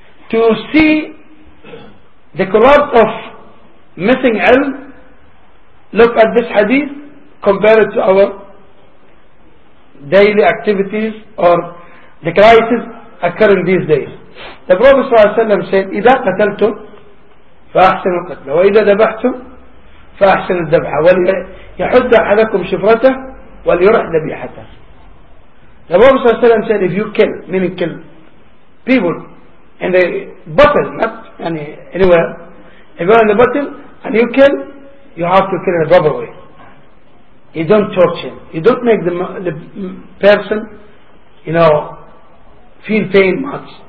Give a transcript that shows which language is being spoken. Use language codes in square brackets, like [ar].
[en] To see The collapse of missing ilm, look at this hadith, compare it to our daily activities or the crisis occurring these days. The Prophet ﷺ said, [ar] إِذَا قَتَلْتُمْ فَأَحْسِنُوا الْقَتْلَ وَإِذَا ذَبَحْتُمْ فَأَحْسِنُوا الذَّبْحَ وَلْيَحُدَّ أَحَدَكُمْ شِفْرَتَهُ وَلْيُرْحْ ذَبِيحَتَهُ. [en] The Prophet ﷺ said, if you kill, meaning kill people in the battle, not anywhere, if you are in the battle and you kill, you have to kill in a proper way. You don't torture him. You don't make the person, you know, feel pain much.